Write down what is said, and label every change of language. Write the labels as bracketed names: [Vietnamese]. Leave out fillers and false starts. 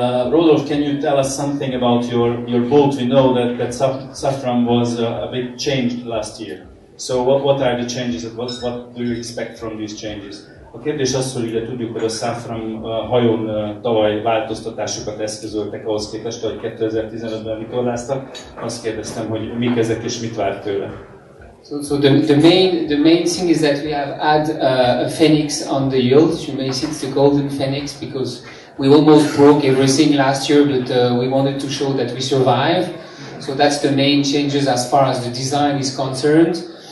[English] Rodolf, can you tell us something about your boat? We know that Safran was a bit changed last year. So what are the changes? What do you expect from these changes? [Hungarian] A kérdés az, hogy ugye tudjuk, hogy a Safran hajón tavaly változtatásokat eszközöltek ahhoz képest, hogy 2015-ben vitorláztak. Azt kérdeztem, hogy mik ezek és mit várt tőle. [English] So the main thing is that we have had a Phoenix on the yield. You may see it's the Golden Phoenix because we almost broke everything last year, but we wanted to show that we survive. So that's the main changes as far as the design is concerned.